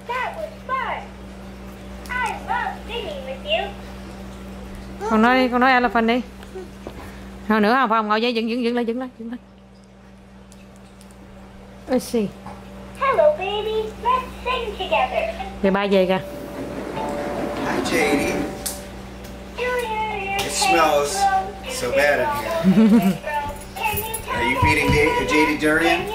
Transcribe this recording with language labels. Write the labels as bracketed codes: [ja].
[en] That was fun. I love singing with you. [vi] Con nói elephant đi. Hồi nữa không phải không ngồi dậy dựng lên. [en] Let's see. Hello, baby. Let's sing together. [vi] 13 giờ kìa. [en] Hi Janie. It smells so bad in here. Are you feeding Janie durian?